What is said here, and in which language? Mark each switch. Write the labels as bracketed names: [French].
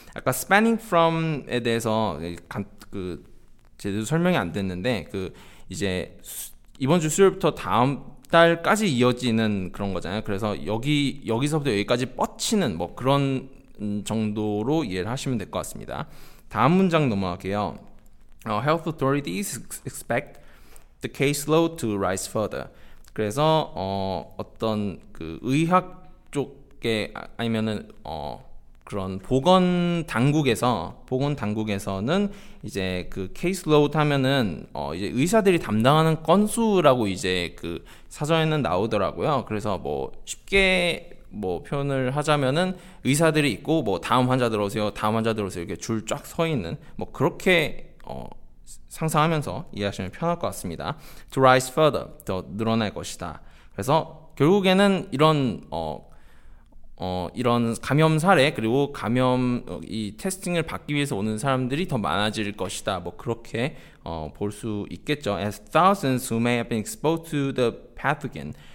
[Korean] 아까 spanning from에 대해서 그 제대로 설명이 안 됐는데 그 이제 이번 주 수요일부터 다음 달까지 이어지는 그런 거잖아요. 그래서 여기서부터 여기까지 뻗치는 뭐 그런 정도로 이해를 하시면 될 것 같습니다. 다음 문장 넘어갈게요. [English] Health authorities expect the caseload to rise further. [Korean] 그래서 어떤 그 의학 쪽에 아니면은 그런 보건 당국에서는 이제 그 caseload 하면은 이제 의사들이 담당하는 건수라고 이제 그 사전에는 나오더라고요. 그래서 뭐 쉽게 뭐 표현을 하자면은 의사들이 있고 뭐 다음 환자 들어오세요 이렇게 줄 쫙 서 있는 뭐 그렇게 상상하면서 이해하시면 편할 것 같습니다. [English] To rise further, [Korean] 더 늘어날 것이다. 그래서 결국에는 이런 이런 감염 사례 그리고 이 테스팅을 받기 위해서 오는 사람들이 더 많아질 것이다. 뭐 그렇게 볼 수 있겠죠. [English] As thousands who may have been exposed to the pathogen.